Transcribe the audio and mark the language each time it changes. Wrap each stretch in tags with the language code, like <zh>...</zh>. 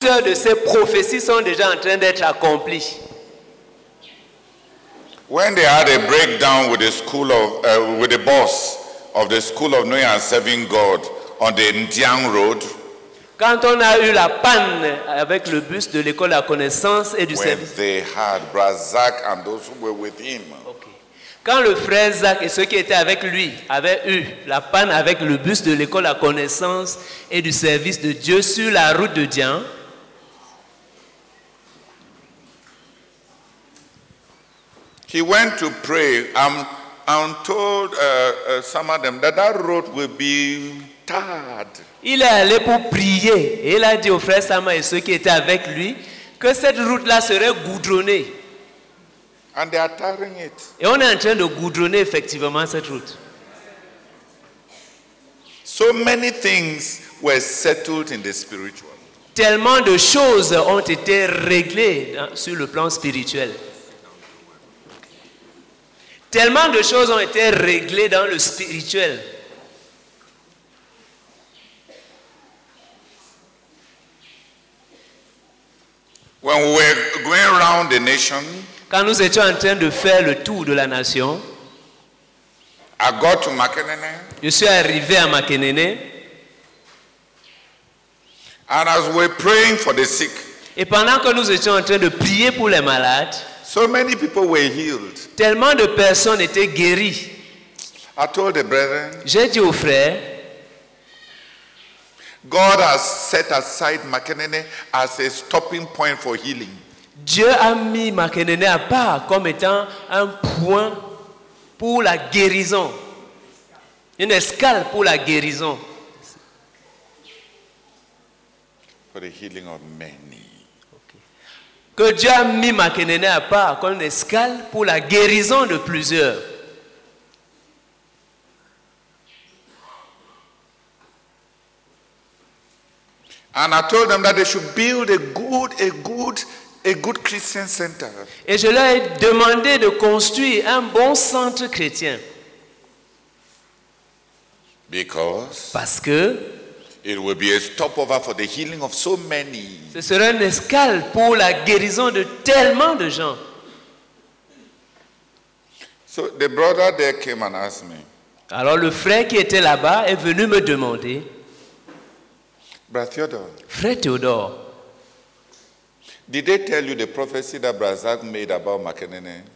<fr>Plusieurs de ces prophéties sont déjà en train d'être accomplies.</fr> <en>When they had a breakdown with the school of with the boss of the school of knowing and serving God on the Ndiang Road.</en> <fr>Quand on a eu la panne avec le bus de l'école de la connaissance et du service.</fr> <en>When they had brother Zach and those who were with him.</en> <fr>Quand le frère Zach et ceux qui étaient avec lui avaient eu la panne avec le bus de l'école à connaissance et du service de Dieu sur la route de Dian.</fr> <en>He went to pray and told some of them that that road will be tarred.</en> <fr>Il est allé pour prier et il a dit aux frères Sama et ceux qui étaient avec lui que cette route-là serait goudronnée.</fr> <en>And they are tarring it.</en> <fr>Et on est en train de goudronner effectivement cette route.</fr> <en>So many things were settled in the spiritual.</en> <fr>Tellement de choses ont été réglées sur le plan spirituel. Tellement de choses ont été réglées dans le spirituel.</fr> <en>When we were going around the nation,</en> <fr>quand nous étions en train de faire le tour de la nation,</fr> <en>I got to Makenene,</en> <fr>je suis arrivé à Makenene.</fr> <en>And as we were praying for the sick,</en> <fr>et pendant que nous étions en train de prier pour les malades,</fr> <en>so many people were healed.</en> <fr>Tellement de personnes étaient guéries.</fr> <en>I told the brethren,</en> <fr>j'ai dit aux frères,</fr> <en>God has set aside Makenene as a stopping point for healing.</en> <fr>Dieu a mis Makenene à part comme étant un point pour la guérison. Une escale pour la guérison.</fr> <en>For the healing of many. Okay.</en> <fr>Que Dieu a mis Makenene à part comme une escale pour la guérison de plusieurs.</fr> <en>And I told them that they should build a good Christian center.</en> <fr>Et je leur ai demandé de construire un bon centre chrétien.</fr> <en>Because</en> <fr>parce que</fr> <en>it will be a stopover for the healing of so many.</en> <fr>Ce sera une escale pour la guérison de tellement de gens.</fr> <en>So the brother there came and asked me.</en> <fr>Alors le frère qui était là-bas est venu me demander.</fr> <en>Brother Theodore.</en> <fr>Frère Théodore.</fr> <en>Did they tell you the prophecy that Brazak made about Makenene?</en>